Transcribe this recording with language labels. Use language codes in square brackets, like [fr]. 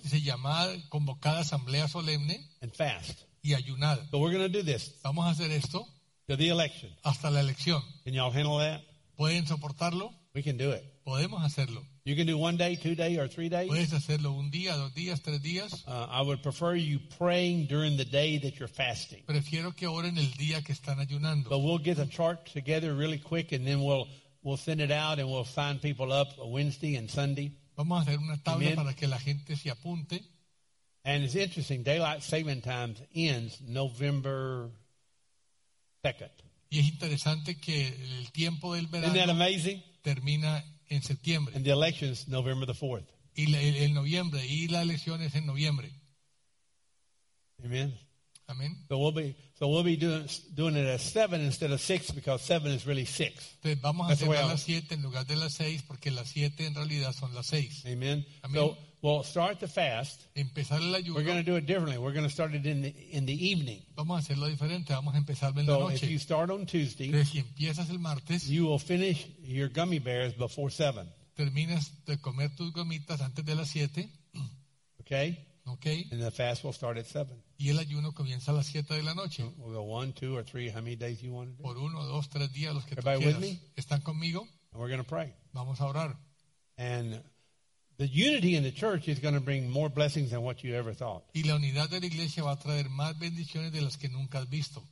[es] Dice llamar, convocar asamblea solemne. [en] And fast. [es] Y ayunar. [en] But we're going to do this. [es] Vamos a hacer esto. [en] To the election. [es] Hasta la elección. [en] Can y'all handle that? [es] ¿Pueden soportarlo? [en] We can do it. [es] Podemos hacerlo. [en] You can do 1 day, 2 days, or 3 days. [es] Puedes hacerlo un día, dos días, tres días. [en] I would prefer you praying during the day that you're fasting. [es] Prefiero que oren el día que están ayunando. [en] But we'll get a chart together really quick, and then we'll send it out, and we'll sign people up Wednesday and Sunday. [es] Vamos a hacer una tabla para que la gente se apunte. [en] And it's interesting. Daylight saving time ends November 2nd. [es] Y es interesante que el tiempo del verano. [en] Isn't that amazing? [es] Termina en septiembre. [en] And the election is November the 4th. [es] Y el noviembre, y la elección es en noviembre. [en] Amen. [es] Amen. [en] So we'll be doing it at 7 instead of 6 because 7 is really 6. [es] Entonces vamos That's a hacer a las 7 en lugar de las 6 porque las 7 en realidad son las 6. [en] Amen. Amen. So we'll start the fast. [es] Empezar el ayuno. [en] We're going to do it differently. We're going to start it in the evening. [es] Vamos a hacerlo diferente. Vamos a empezarlo en la noche. [en] So if you start on Tuesday, [es] si empiezas el martes, [en] you will finish your gummy bears before 7. [es] Terminas de comer tus gomitas antes de las 7. [en] Okay? [es] Okay. [en] And the fast will start at 7. [es] Y el ayuno comienza a las 7 de la noche. [en] We'll go 1, 2, or 3, how many days you want to do? [es] Por 1, 2, 3 días los que [en] Everybody Everybody with me? [es] ¿Están conmigo? [en] And we're going to pray. [es] Vamos a orar. [en] And the unity in the church is going to bring more blessings than what you ever thought. [es] Y la unidad de la iglesia va a traer más bendiciones de las que nunca has visto.